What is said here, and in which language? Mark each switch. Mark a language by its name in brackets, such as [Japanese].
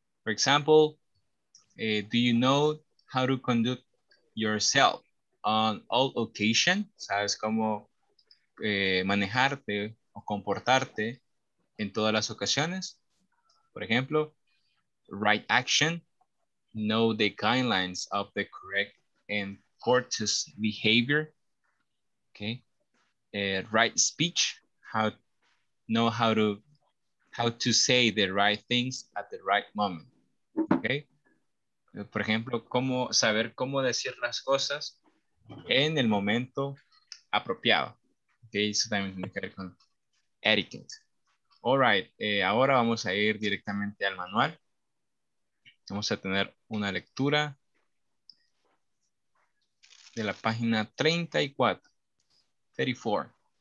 [English] For example, do you know how to conduct yourself on all occasions? [Spanish] ¿Sabes cómo manejarte o comportarte en todas las ocasiones? Por ejemplo, [English] right action, know the guidelines of the correct and courteous behavior. Okay. Right speech, how to say the right things at the right moment. Okay. [Spanish] Por ejemplo, cómo saber cómo decir las cosas en el momento apropiado. Okay, eso también tiene que ver con etiquette. [English] All right, [Spanish] ahora vamos a ir directamente al manual. Vamos a tener una lectura de la página 34. 34.